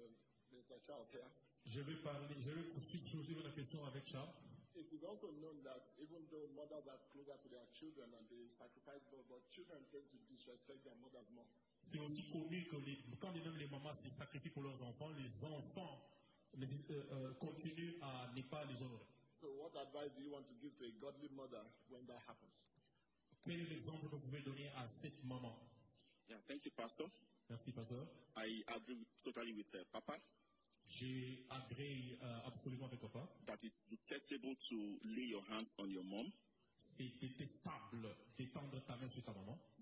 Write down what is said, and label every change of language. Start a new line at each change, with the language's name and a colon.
English: Okay, I'll follow up that question with Mr. Charles here.
French: Je vais question avec Charles.
English: It is also known that even though mothers are closer to their children and they sacrifice more, but children tend to disrespect their mothers more.
French: C'est aussi connu que quand les mamans se sacrifient pour leurs enfants, les enfants continuent à ne pas les honorer.
English: So what advice do you want to give to a godly mother when that happens?
French: Quel est l'exemple que vous pouvez donner à cette maman?
English: Yeah, thank you, Pastor.
French: Merci, Pastor.
English: I agree totally with Papa.
French: J'ai agréé absolument avec Papa.
English: That is detestable to lay your hands on your mom.
French: C'est détestable d'étendre ta main sur ta maman.